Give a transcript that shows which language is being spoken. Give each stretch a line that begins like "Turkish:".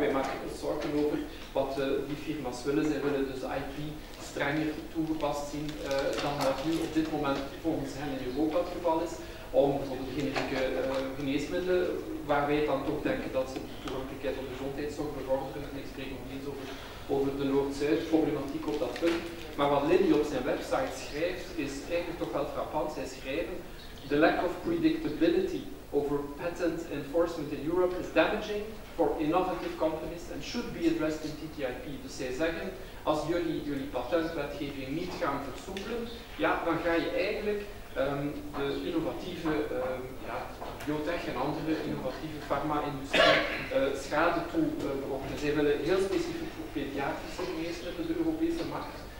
Dutch: Wij maken ons zorgen over wat die firma's willen. Zij willen dus IP strenger toegepast zien dan dat nu op dit moment volgens hen in Europa het geval is. Om bijvoorbeeld generieke geneesmiddelen, waar wij dan toch denken dat ze de toegankelijkheid op de gezondheidszorg bevorderen. En ik spreek nog niet over de Noord-Zuid-problematiek op dat punt. Maar wat Lilly op zijn website schrijft, is eigenlijk toch wel frappant. Zij schrijven:
English: "The lack of predictability over patent enforcement in Europe is damaging for innovative companies and should be addressed in TTIP."
Dutch: Dus zij zeggen, als jullie patentwetgeving niet gaan versoepelen, ja, dan ga je eigenlijk de innovatieve biotech en andere innovatieve farma-industrie schade toe brengen. Zij willen heel specifiek voor pediatrische geneesmiddelen de Europese markt.